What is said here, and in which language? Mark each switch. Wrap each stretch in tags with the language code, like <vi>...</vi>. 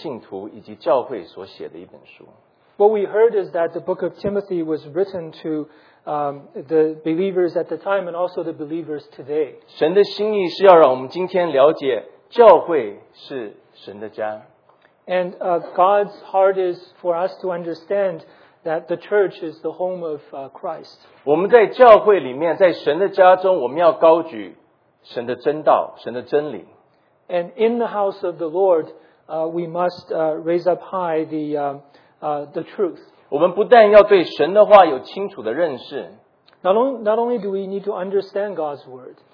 <zh>我们听到了，因为提摩太前书是针对今日的信徒以及教会所写的一本书。</zh> <en>What we heard is that the book of Timothy was written to the believers at the time and also the believers today.</en> <zh>神的心意是要让我们今天了解教会是神的家。</zh> <en>And God's heart is for us to understand that the church is the home of Christ.</en> <zh>我们在教会里面，在神的家中，我们要高举。神的真道，神的真理。</zh> <en>And in the house of the Lord, we must raise up high the truth.</en> <zh>我们不但要对神的话有清楚的认识，</zh> <en>not only do we need to understand God's word,</en>